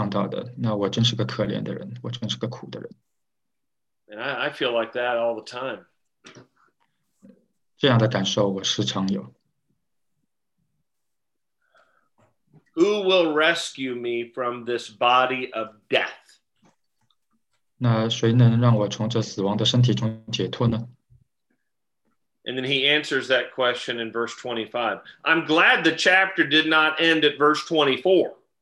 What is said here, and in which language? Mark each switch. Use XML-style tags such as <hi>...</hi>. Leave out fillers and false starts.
<zh>这就是从奇异恩典里面的唱到的,那我真是个可怜的人,我真是个苦的人。</zh> <en>And I feel like that all the time.</en> <zh>这样的感受我时常有。</zh> <en>Who will rescue me from this body of death?</en> <zh>那谁能让我从这死亡的身体中解脱呢?</zh> <en>And then he answers that question in verse 25. I'm glad the chapter did not end at verse 24.</en>